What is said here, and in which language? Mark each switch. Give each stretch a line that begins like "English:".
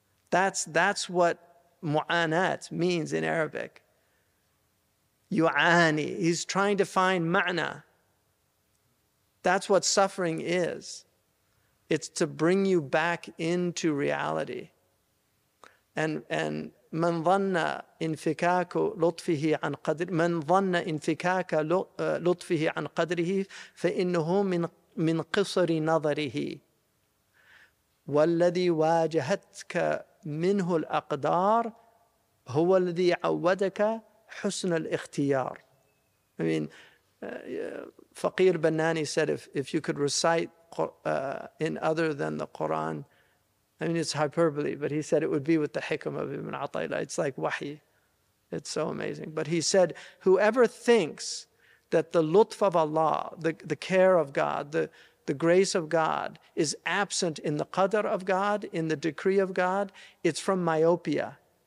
English: That's what mu'anat means in Arabic. Yu'ani, he's trying to find ma'na. That's what suffering is. It's to bring you back into reality.
Arabic: And من ظن انفكاك لطفه عن قدر من ظن انفكاك لطفه عن قدره فإنه من قصر نظره والذي واجهتك منه الأقدار هو الذي عودك حسن الاختيار.
English: I mean, Faqir Banani said, if you could recite in other than the Quran, I mean, it's hyperbole, but he said it would be with the hikam of Ibn Atayla. It's like wahi. It's so amazing. But he said, whoever thinks that the lutf of Allah, the care of God, the grace of God is absent in the qadr of God, in the decree of God, it's from myopia.